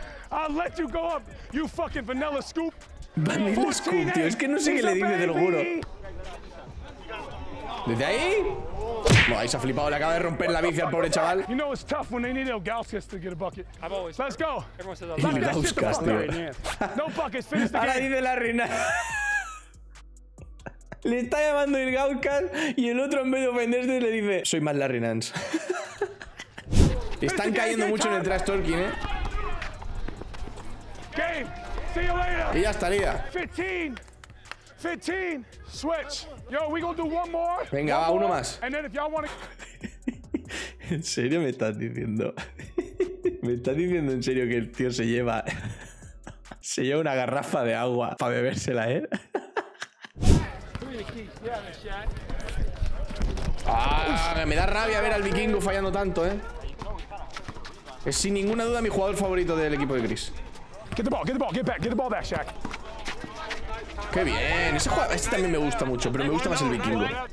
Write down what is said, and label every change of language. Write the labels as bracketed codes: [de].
[en] I'll let you go up, you fucking vanilla scoop. Vanilla scoop, [es] tío. Es que no sé qué le dice, te lo juro. ¿Desde ahí? No, ahí se ha flipado, le acaba de romper la bici al pobre chaval. [en] You know it's tough when they need Ilgauskas to get a bucket. I've always. Let's go. [es] Ilgauskas, tío. [en] No buckets, finish the [es] game. Ahora dice la reina. Le está llamando Ilgauskas y el otro, en vez de ofenderse, le dice: soy más Larry Nance. Están cayendo mucho en el trash talking, eh. [en] Game. See you later. [es] Y ya estaría. [en] 15. Switch. Yo, we gonna do one more. [es] Venga, [en] one [es] va, [en] more. [es] Uno más. [en] And then if y'all wanna... [es] ¿En serio me estás diciendo? ¿Me estás diciendo en serio que el tío se lleva... se lleva una garrafa de agua para bebérsela, eh? Ah, me da rabia ver al vikingo fallando tanto, eh. Es sin ninguna duda mi jugador favorito del equipo de Chris. [en] Get the ball, get the ball, get back, get the ball back, Shaq. [es] Qué bien, ese juego, este también me gusta mucho, pero me gusta más el vikingo.